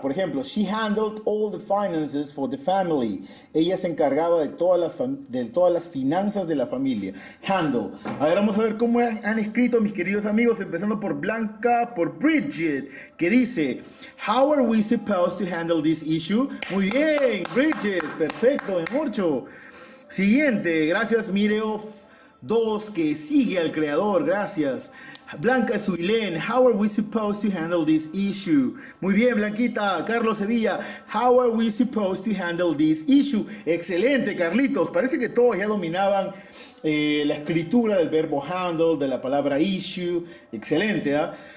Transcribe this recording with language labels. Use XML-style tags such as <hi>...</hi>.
<es>Por ejemplo,</es> <en>she handled all the finances for the family.</en> <es>Ella se encargaba de todas las finanzas de la familia. Handle. A ver, vamos a ver cómo han escrito mis queridos amigos, empezando por Blanca, por Bridget, que dice,</es> <en>How are we supposed to handle this issue?</en> <es>Muy bien, Bridget, perfecto, de mucho. Siguiente, gracias, Mireoff 2, que sigue al creador, gracias.</es> <en>Blanca Suilén, how are we supposed to handle this issue?</en> <es>Muy bien, Blanquita.</es> <en>Carlos Sevilla, how are we supposed to handle this issue?</en> <es>Excelente, Carlitos. Parece que todos ya dominaban la escritura del verbo handle, de la palabra issue. Excelente, ¿eh?</es>